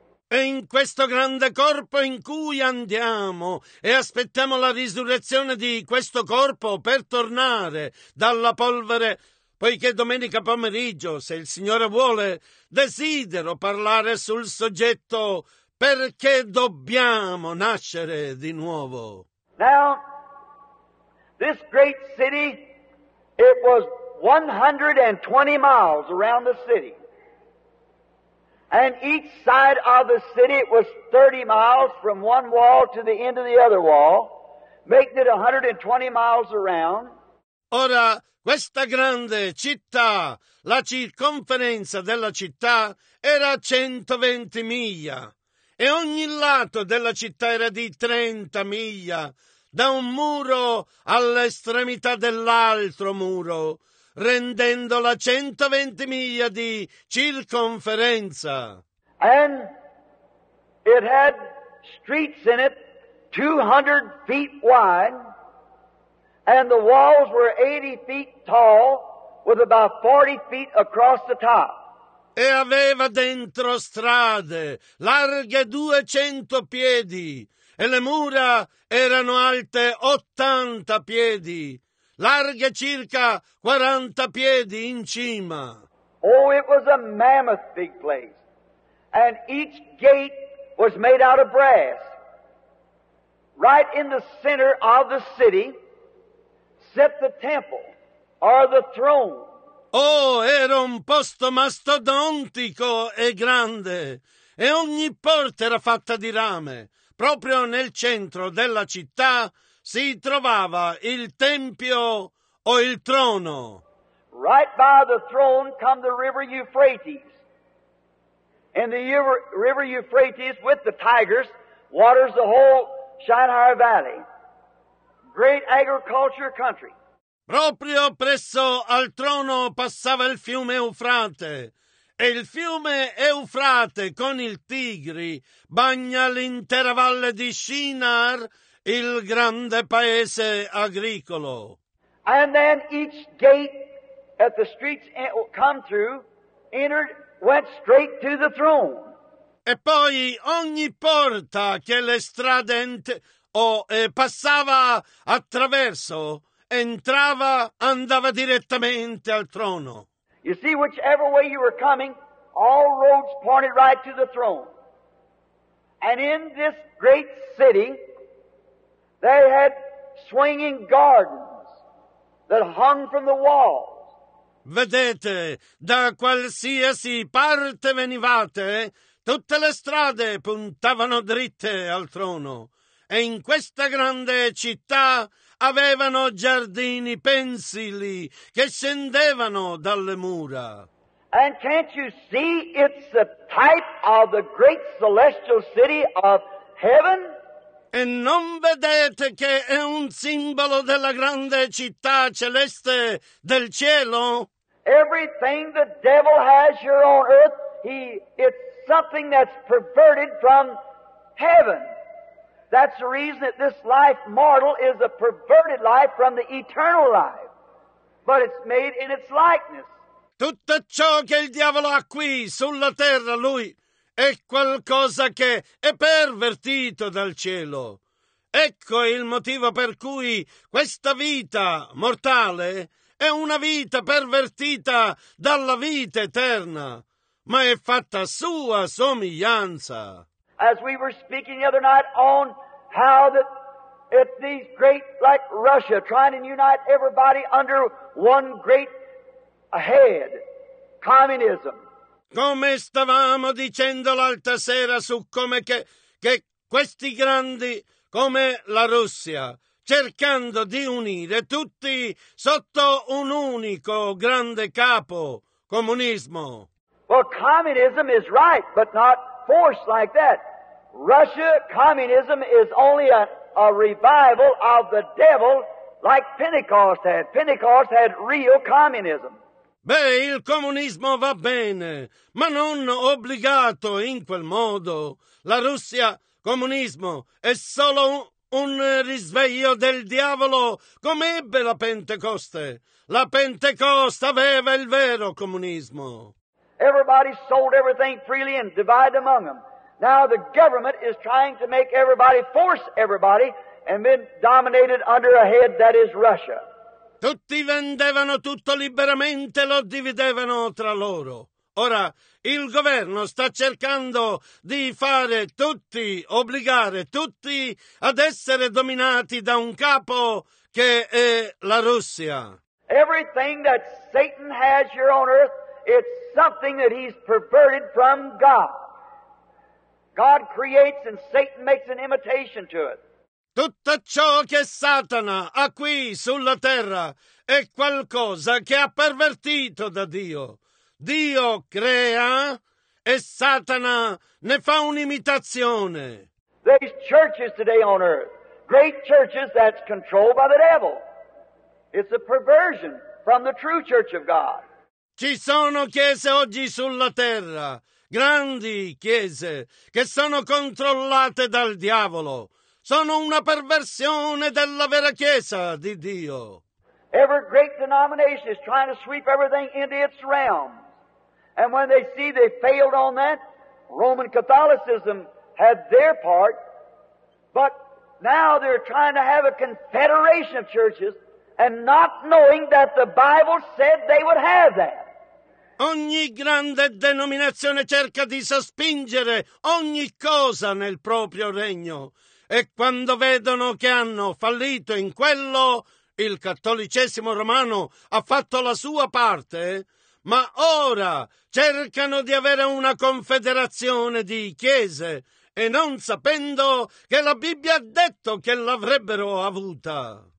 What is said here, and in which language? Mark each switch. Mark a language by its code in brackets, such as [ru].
[it] E in questo grande corpo in cui andiamo e aspettiamo la risurrezione di questo corpo per tornare dalla polvere, poiché domenica pomeriggio, se il Signore vuole, desidero parlare sul soggetto perché dobbiamo nascere di nuovo. [en] Now, this great city, it was 120 miles around the city. And each side of the city was 30 miles from one wall to the end of the other wall, making it 120 miles around. [it] Ora, questa grande città, la circonferenza della città, era 120 miglia. E ogni lato della città era di 30 miglia, da un muro all'estremità dell'altro muro, rendendola 120 miglia di circonferenza. [en] And it had streets in it 200 feet wide, and the walls were 80 feet tall with about 40 feet across the top. [it] E aveva dentro strade larghe 200 piedi, e le mura erano alte 80 piedi, larghe circa 40 piedi in cima. [en] Oh, it was a mammoth big place. And each gate was made out of brass. Right in the center of the city sat the temple, or the throne. [it] Oh, era un posto mastodontico e grande. E ogni porta era fatta di rame. Proprio nel centro della città si trovava il tempio o il trono. [en] Right by the throne come the river Euphrates. And the river Euphrates with the tigers waters the whole Shinar Valley. great agriculture country. [it] Proprio presso al trono passava il fiume Eufrate, e il fiume Eufrate con il Tigri bagna l'intera valle di Shinar, il grande paese agricolo. [en] And then each gate that the streets come through entered went straight to the throne. [it] E poi ogni porta che le strade passava attraverso entrava, andava direttamente al trono. [en] You see, whichever way you were coming, all roads pointed right to the throne. And in this great city, they had swinging gardens that hung from the walls. [it] Vedete, da qualsiasi parte venivate, tutte le strade puntavano dritte al trono. E in questa grande città avevano giardini pensili che scendevano dalle mura. [en] And can't you see it's the type of the great celestial city of heaven? [it] E non vedete che è un simbolo della grande città celeste del cielo? [en] Everything the devil has here on earth, it's something that's perverted from heaven. That's the reason that this life mortal is a perverted life from the eternal life. But it's made in its likeness. [it] Tutto ciò che il diavolo ha qui sulla terra, lui, è qualcosa che è pervertito dal cielo. Ecco il motivo per cui questa vita mortale è una vita pervertita dalla vita eterna, ma è fatta sua somiglianza. [en] As we were speaking the other night on how that if these great, like Russia, trying to unite everybody under one great head, communism. [it] Come stavamo dicendo l'altra sera su come che questi grandi, come la Russia, cercando di unire tutti sotto un unico grande capo, comunismo. [en] Well, communism is right, but not forced like that. Russia communism is only a revival of the devil like Pentecost had. Pentecost had real communism. [it] Beh, il comunismo va bene, ma non obbligato in quel modo. La Russia comunismo è solo un risveglio del diavolo come ebbe la Pentecoste. La Pentecoste aveva il vero comunismo. [en] Everybody sold everything freely and divided among them. Now the government is trying to make everybody force everybody and been dominated under a head that is Russia. [it] Tutti vendevano tutto liberamente, lo dividevano tra loro. Ora il governo sta cercando di fare tutti, obbligare tutti ad essere dominati da un capo che è la Russia. [en] Everything that Satan has here on earth, it's something that he's perverted from God. God creates and Satan makes an imitation to it. [it] Tutto ciò che Satana ha qui sulla terra è qualcosa che ha pervertito da Dio. Dio crea e Satana ne fa un'imitazione. [en] There's churches today on earth, great churches that's controlled by the devil. It's a perversion from the true church of God. [it] Ci sono chiese oggi sulla terra, grandi chiese che sono controllate dal diavolo. Sono una perversione della vera chiesa di Dio. [en] Every great denomination is trying to sweep everything into its realm. And when they see they failed on that, Roman Catholicism had their part. But now they're trying to have a confederation of churches and not knowing that the Bible said they would have that. [it] Ogni grande denominazione cerca di sospingere ogni cosa nel proprio regno. E quando vedono che hanno fallito in quello, il cattolicesimo romano ha fatto la sua parte, ma ora cercano di avere una confederazione di chiese e non sapendo che la Bibbia ha detto che l'avrebbero avuta.